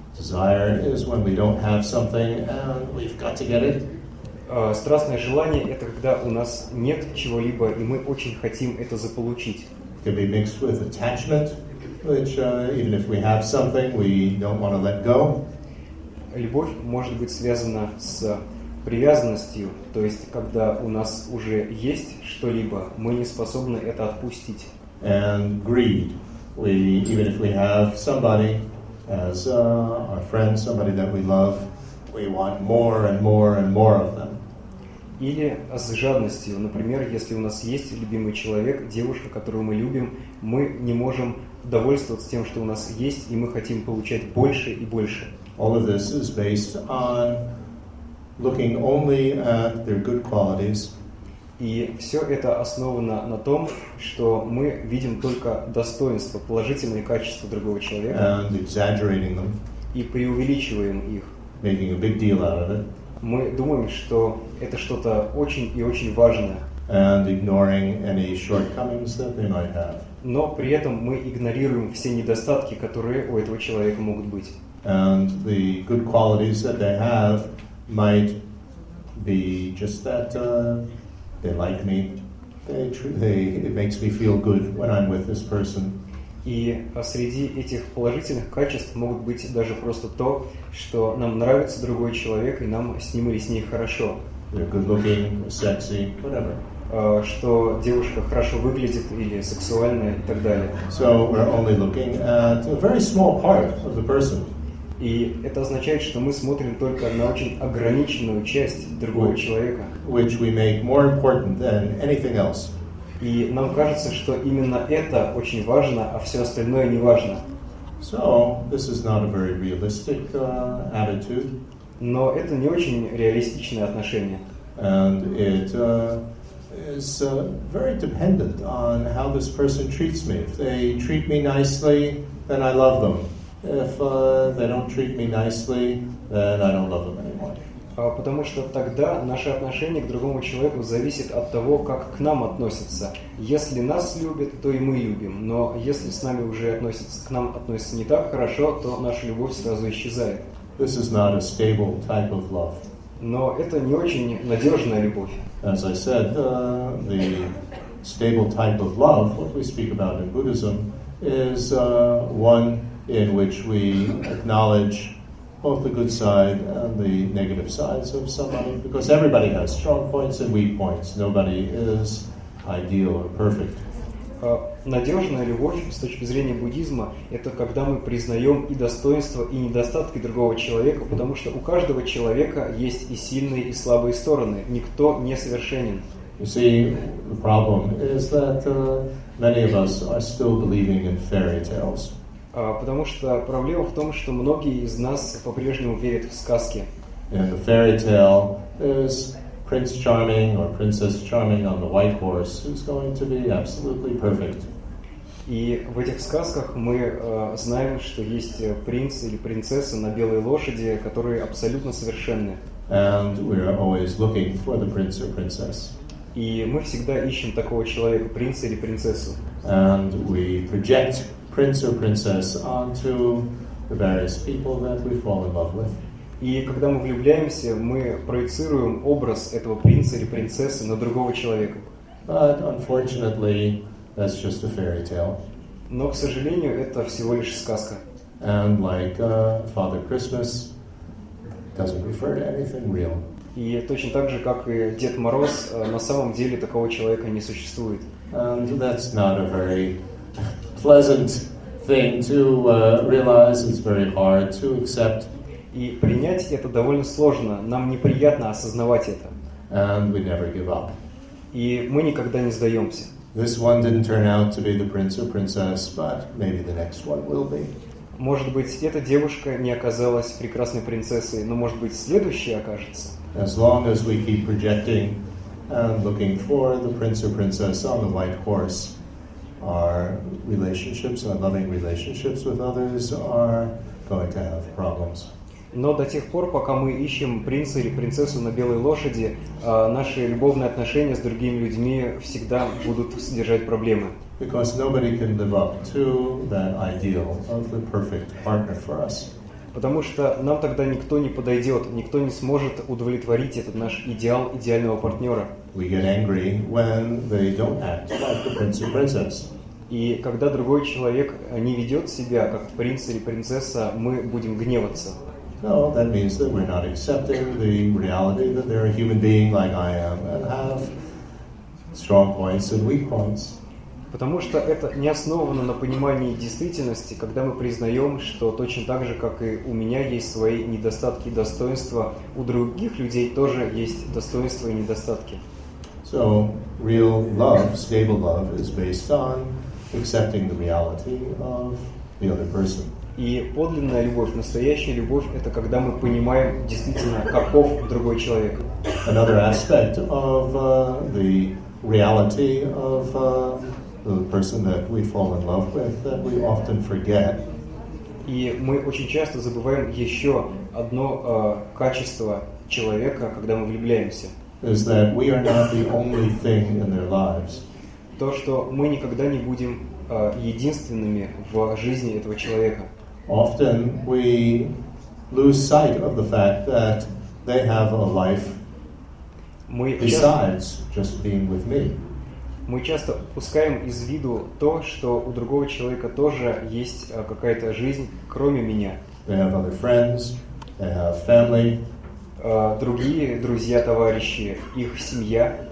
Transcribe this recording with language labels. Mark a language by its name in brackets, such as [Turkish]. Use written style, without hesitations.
[English] Desire is when we don't have something and we've got to get it. [Russian] Страстное желание — это когда у нас нет чего-либо, и мы очень хотим это заполучить. [English] It can be mixed with attachment, which even if we have something, we don't want to let go. [Russian] Любовь может быть связана с привязанностью, то есть когда у нас уже есть что-либо, мы не способны это отпустить. [English] And greed. We, even if we have somebody as our friend, somebody that we love, we want more and more and more of them. [Russian] Или с жадностью. Например, если у нас есть любимый человек, девушка, которую мы любим, мы не можем довольствоваться тем, что у нас есть, и мы хотим получать больше и больше. [English] All of this is based on looking only at their good qualities. [Russian] И все это основано на том, что мы видим только достоинства, положительные качества другого человека. [English] And exaggerating them. [Russian] И преувеличиваем их. [English] Making a big deal out of it. [Russian] Мы думаем, что это что-то очень и очень важное. [English] And ignoring any shortcomings that they might have. [Russian] Но при этом мы игнорируем все недостатки, которые у этого человека могут быть. [English] And the good qualities that they have might be just that they like me. It makes me feel good when I'm with this person. [Russian] И среди этих положительных качеств могут быть даже просто то, что нам нравится другой человек, и нам с ним или с ней хорошо. [English] They're good looking, sexy, whatever. [Russian] Что девушка хорошо выглядит или сексуальная и так далее. [English] So we're only looking at a very small part of the person. [Russian] И это означает, что мы смотрим только на очень ограниченную часть другого человека. [English] Which we make more important than anything else. [Russian] И нам кажется, что именно это очень важно, а все остальное не важно. [English] So, this is not a very realistic attitude. [Russian] Но это не очень реалистичное отношение. [English] And it is very dependent on how this person treats me. If they treat me nicely, then I love them. If they don't treat me nicely, then I don't love them anymore. [Russian] Потому что тогда наше отношение к другому человеку зависит от того, как к нам относятся. Если нас любят, то и мы любим. Но если с нами уже относятся, к нам относятся не так хорошо, то наша любовь сразу исчезает. [English] This is not a stable type of love. [Russian] Но это не очень надежная любовь. [English] As I said, the stable type of love, what we speak about in Buddhism, is one in which we acknowledge both the good side and the negative sides of somebody, because everybody has strong points and weak points. Nobody is ideal or perfect. [Russian] надежная любовь с точки зрения буддизма – это когда мы признаем и достоинства, и недостатки другого человека, потому что у каждого человека есть и сильные, и слабые стороны. Никто не совершенен. [English] You see, the problem is that many of us are still believing in fairy tales. [Russian] Потому что проблема в том, что многие из нас по-прежнему верят в сказки. [English] And the fairy tale is Prince Charming or Princess Charming on the white horse who's going to be absolutely perfect. [Russian] И в этих сказках мы знаем, что есть принц или принцесса на белой лошади, которые абсолютно совершенны. [English] And we are always looking for the prince or princess. [Russian] И мы всегда ищем такого человека, принца или принцессу. [English] And we project prince or princess onto the various people that we fall in love with. [Russian] И когда мы влюбляемся, мы проецируем образ этого принца или принцессы на другого человека. [English] But unfortunately, that's just a fairy tale. [Russian] Но, к сожалению, это всего лишь сказка. [English] And like Father Christmas, doesn't refer to anything real. [Russian] И точно так же, как и Дед Мороз, на самом деле такого человека не существует. [English] And that's not a very pleasant thing to realize. It's very hard to accept. [Russian] И принять это довольно сложно. Нам неприятно осознавать это. [English] And we never give up. [Russian] И мы никогда не сдаемся. [English] This one didn't turn out to be the prince or princess, but maybe the next one will be. [Russian] Может быть, эта девушка не оказалась прекрасной принцессой, но, может быть, следующая окажется. [English] As long as we keep projecting and looking for the prince or princess on the white horse, our relationships, our loving relationships with others are going to have problems. [Russian] Но до тех пор, пока мы ищем принца или принцессу на белой лошади, наши любовные отношения с другими людьми всегда будут содержать проблемы. [English] Because nobody can live up to that ideal of the perfect partner for us. [Russian] Потому что нам тогда никто не подойдет, никто не сможет удовлетворить этот наш идеал идеального партнера. [English] We get angry when they don't act like the prince or princess. [Russian] И когда другой человек не ведет себя как принц или принцесса, мы будем гневаться. [English] No, that means that we're not accepting the reality that they're a human being like I am and have strong points and weak points. [Russian] Потому что это не основано на понимании действительности, когда мы признаем, что точно так же, как и у меня есть свои недостатки и достоинства, у других людей тоже есть достоинства и недостатки. [English] So, real love, stable love, is based on accepting the reality of the other person. [Russian] И подлинная любовь, настоящая любовь, это когда мы понимаем действительно, каков другой человек. [English] Another aspect of the reality of the person that we fall in love with that we often forget. [Russian] И мы очень часто забываем еще одно качество человека, когда мы влюбляемся. [English] Is that we are not the only thing in their lives. [Russian] То, что мы никогда не будем единственными в жизни этого человека. [English] Often we lose sight of the fact that they have a life besides just being with me. [Russian] Мы часто упускаем из виду то, что у другого человека тоже есть какая-то жизнь, кроме меня. [English] They have other friends, they have family. [Russian] Другие друзья, товарищи, их семья.